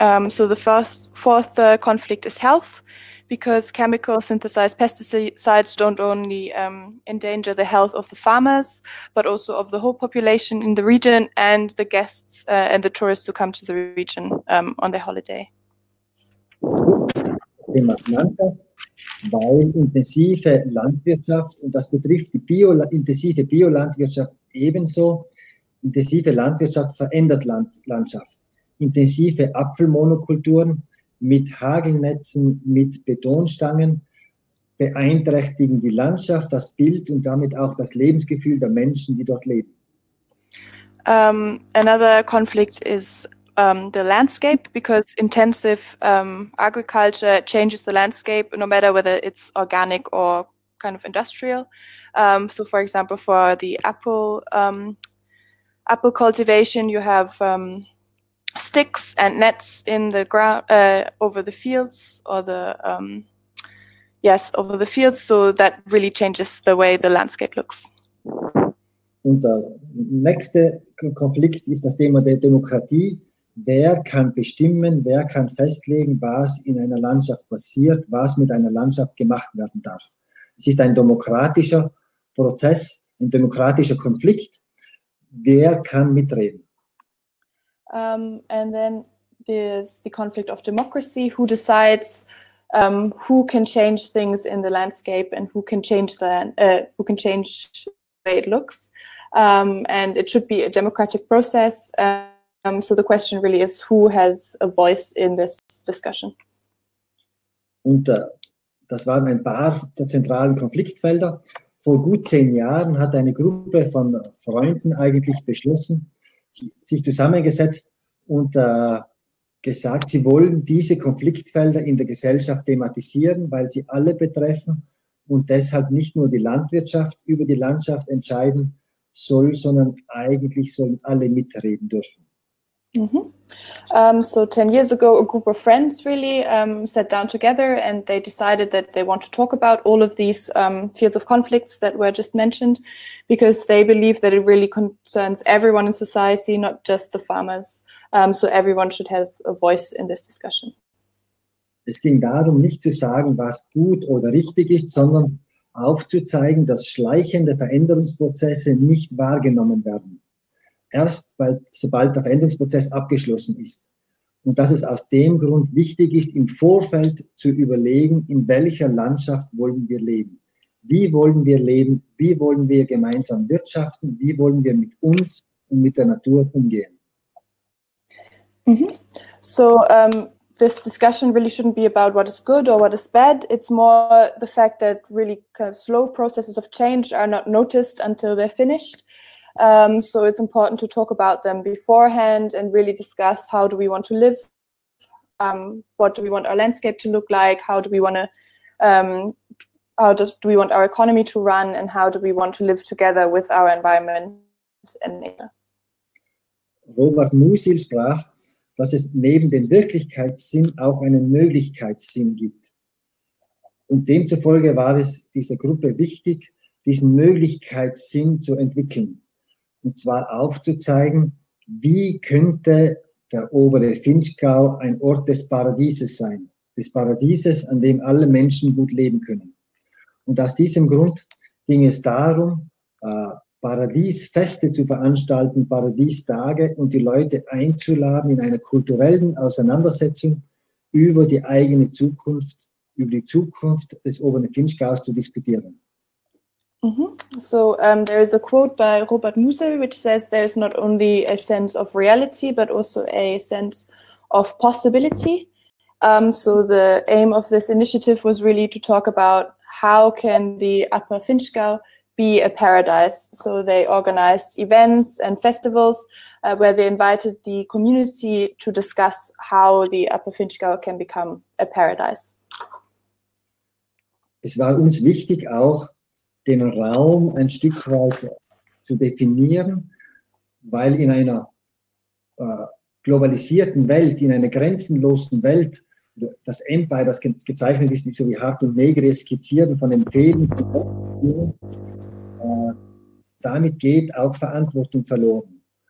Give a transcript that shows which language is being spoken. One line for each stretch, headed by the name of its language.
English: So the fourth conflict is health, because chemical synthesized pesticides don't only endanger the health of the farmers, but also of the whole population in the region and the guests and the tourists who come to the region on their holiday.
German: Weil intensive Landwirtschaft, und das betrifft die intensive Biolandwirtschaft ebenso, intensive Landwirtschaft verändert Landschaft. Intensive Apfelmonokulturen mit Hagelnetzen, mit Betonstangen beeinträchtigen die Landschaft, das Bild und damit auch das Lebensgefühl der Menschen, die dort leben.
English: Another conflict is the landscape, because intensive agriculture changes the landscape, no matter whether it's organic or kind of industrial. So for example, for the apple cultivation, you have sticks and nets in the ground over the fields, or the over the fields, so that really changes the way the landscape looks.
German: Und der nächste Konflikt ist das Thema der Demokratie. Wer kann bestimmen, wer kann festlegen, was in einer Landschaft passiert, was mit einer Landschaft gemacht werden darf? Es ist ein demokratischer Prozess, ein demokratischer Konflikt. Wer kann mitreden?
English: And then there's the conflict of democracy, who decides who can change things in the landscape and who can change the way it looks. And it should be a democratic process. So the question really is, who has a voice in this discussion?
German: Und das waren ein paar der zentralen Konfliktfelder. Vor gut 10 Jahren hat eine Gruppe von Freunden eigentlich beschlossen, sich zusammengesetzt und gesagt, sie wollen diese Konfliktfelder in der Gesellschaft thematisieren, weil sie alle betreffen und deshalb nicht nur die Landwirtschaft über die Landschaft entscheiden soll, sondern eigentlich sollen alle mitreden dürfen. Mm-hmm.
English: So 10 years ago, a group of friends really sat down together and they decided that they want to talk about all of these fields of conflicts that were just mentioned, because they believe that it really concerns everyone in society, not just the farmers. So everyone should have a voice in this discussion.
German: Es ging darum, nicht zu sagen, was gut oder richtig ist, sondern aufzuzeigen, dass schleichende Veränderungsprozesse nicht wahrgenommen werden. Erst sobald der Veränderungsprozess abgeschlossen ist. Und dass es aus dem Grund wichtig ist, im Vorfeld zu überlegen, in welcher Landschaft wollen wir leben? Wie wollen wir leben? Wie wollen wir gemeinsam wirtschaften? Wie wollen wir mit uns und mit der Natur umgehen? Mm-hmm.
English: So, this discussion really shouldn't be about what is good or what is bad. It's more the fact that really kind of slow processes of change are not noticed until they're finished. So it's important to talk about them beforehand and really discuss, how do we want to live, what do we want our landscape to look like, how do we want do we want our economy to run, and how do we want to live together with our environment and nature.
German: Robert Musil sprach, dass es neben dem Wirklichkeitssinn auch einen Möglichkeitssinn gibt. Und demzufolge war es dieser Gruppe wichtig, diesen Möglichkeitssinn zu entwickeln. Und zwar aufzuzeigen, wie könnte der obere Finchgau ein Ort des Paradieses sein. Des Paradieses, an dem alle Menschen gut leben können. Und aus diesem Grund ging es darum, Paradiesfeste zu veranstalten, Paradiestage, und die Leute einzuladen in einer kulturellen Auseinandersetzung über die eigene Zukunft, über die Zukunft des oberen Finchgaus zu diskutieren. Mm-hmm.
English: So there is a quote by Robert Musil, which says there is not only a sense of reality, but also a sense of possibility. So the aim of this initiative was really to talk about, how can the Upper Finchgau be a paradise? So they organized events and festivals where they invited the community to discuss how the Upper Finchgau can become a paradise.
German: Es war uns wichtig auch, den Raum ein Stück weit zu definieren, weil in einer globalisierten Welt, in einer grenzenlosen Welt, das Empire, das gezeichnet ist, so wie Hart und Negri skizziert von den Fäden, damit geht auch Verantwortung verloren.